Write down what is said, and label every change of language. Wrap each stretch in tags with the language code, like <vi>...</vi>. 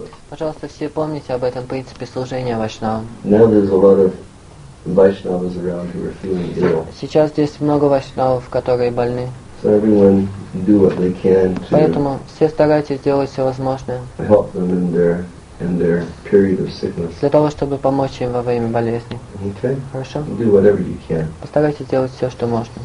<ru>Пожалуйста, все помните об этом принципе служения Вайшнавам.</ru> <en>Now there's a lot of Vaishnavas around who are feeling ill.</en> <ru>Сейчас здесь много вайшнавов, которые больны.</ru> <en>So everyone do what they can to.</en> <ru>Поэтому все старайтесь сделать все возможное.</ru> <en>Help them in their period of sickness.</en> <ru>Для того, чтобы помочь им во время болезни.</ru> <en>Okay.</en> <ru>Хорошо.</ru> <en>Do whatever you can.</en> <ru>Постарайтесь сделать все, что можно.</ru>